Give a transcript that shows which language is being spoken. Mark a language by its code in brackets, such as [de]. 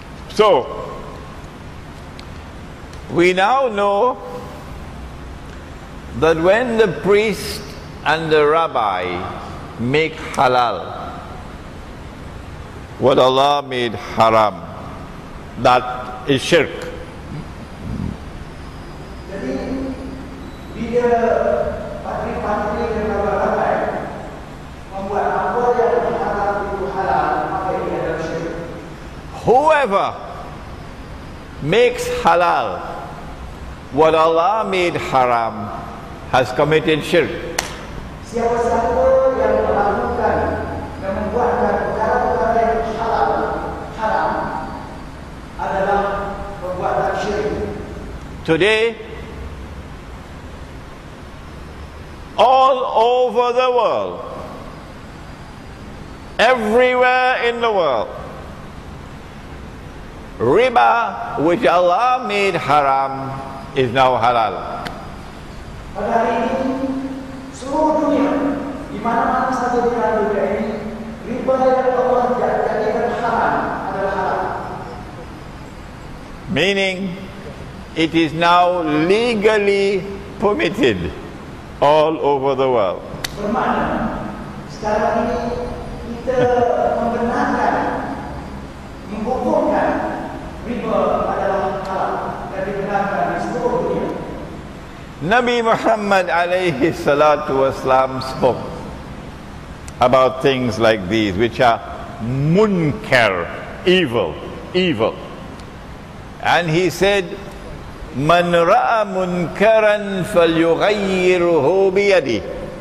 [en] So, we now know that when the priest and the rabbi make halal what Allah made haram, that is shirk. [ms] Jadi bila patri-patri dan rabai-rabai membuat apa yang halal itu halal, maka ini adalah syirik. [en] Whoever makes halal what Allah made haram has committed shirk. [ms] Siapa sahaja yang melakukan dan membuat [en] today, all over the world, everywhere in the world, riba, which Allah made haram, is now halal. [ms] Pada hari ini, seluruh dunia, di mana-mana satu di dalam dunia ini, riba yang Allah jadikan haram adalah halal. [en] Meaning, it is now legally permitted all over the world. [ms] Bermakna, sekarang ini kita membenarkan, menghukumkan riba adalah halal dan dibenarkan di seluruh dunia. [en] Nabi Muhammad alaihi salatu wasalam spoke about things like these, which are munkar, evil, evil. And he said, [ar] "Man ra'a munkaran falyughayyirhu biyadihi."